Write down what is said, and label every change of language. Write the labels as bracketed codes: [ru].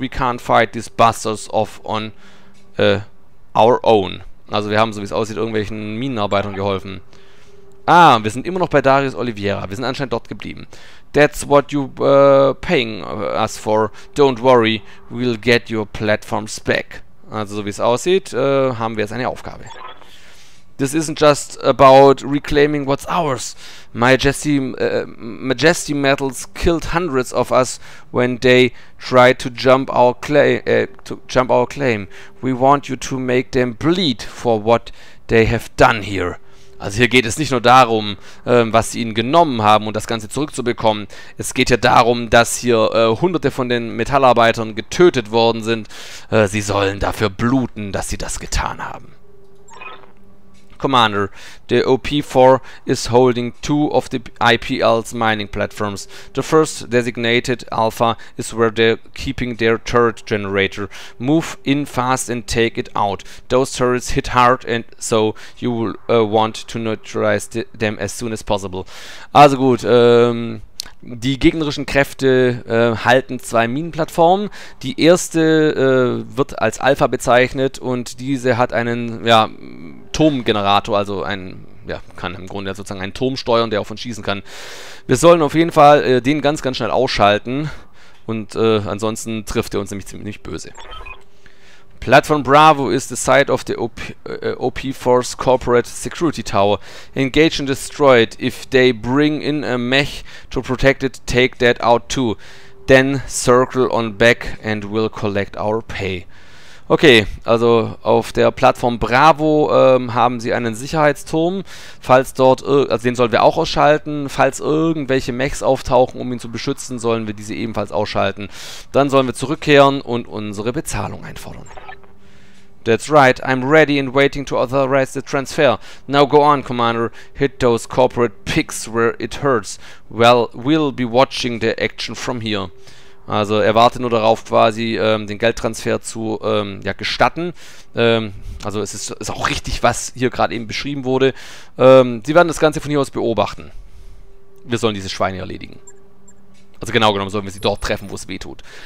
[en] We can't fight these bastards off on our own. [de] Also wir haben, so wie es aussieht, irgendwelchen Minenarbeitern geholfen. Ah, wir sind immer noch bei Darius Oliveira. Wir sind anscheinend dort geblieben. [en] That's what you paying us for. Don't worry, we'll get your platforms back. [de] Also so wie es aussieht, haben wir jetzt eine Aufgabe. [en] This isn't just about reclaiming what's ours. Majesty Metals killed hundreds of us when they tried to jump our claim. We want you to make them bleed for what they have done here. [de] Also hier geht es nicht nur darum, was sie ihnen genommen haben und das Ganze zurückzubekommen. Es geht ja darum, dass hier hunderte von den Metallarbeitern getötet worden sind. Sie sollen dafür bluten, dass sie das getan haben. [en] Commander, the OP4 is holding 2 of the IPL's mining platforms. The first, designated Alpha, is where they're keeping their turret generator. Move in fast and take it out. Those turrets hit hard and so you will want to neutralize them as soon as possible. [de] Also gut, die gegnerischen Kräfte halten 2 Minenplattformen. Die erste wird als Alpha bezeichnet und diese hat einen, ja, Turmgenerator, also ein, ja, kann im Grunde sozusagen einen Turm steuern, der auf uns schießen kann. Wir sollen auf jeden Fall den ganz, ganz schnell ausschalten und ansonsten trifft er uns nämlich ziemlich böse. [en] Platform Bravo is the site of the OP4's corporate security tower. Engage and destroy it. If they bring in a mech to protect it, take that out too. Then circle on back and we'll collect our pay. [de] Okay, also auf der Plattform Bravo haben sie einen Sicherheitsturm. Falls dort, also den sollen wir auch ausschalten. Falls irgendwelche Mechs auftauchen, um ihn zu beschützen, sollen wir diese ebenfalls ausschalten. Dann sollen wir zurückkehren und unsere Bezahlung einfordern. [en] That's right, I'm ready and waiting to authorize the transfer. Now go on, Commander, hit those corporate pigs where it hurts. Well, we'll be watching the action from here. [de] Also er wartet nur darauf, quasi den Geldtransfer zu gestatten. Also es ist auch richtig, was hier gerade eben beschrieben wurde. Sie werden das Ganze von hier aus beobachten. Wir sollen diese Schweine erledigen. Also genau genommen sollen wir sie dort treffen, wo es weh tut.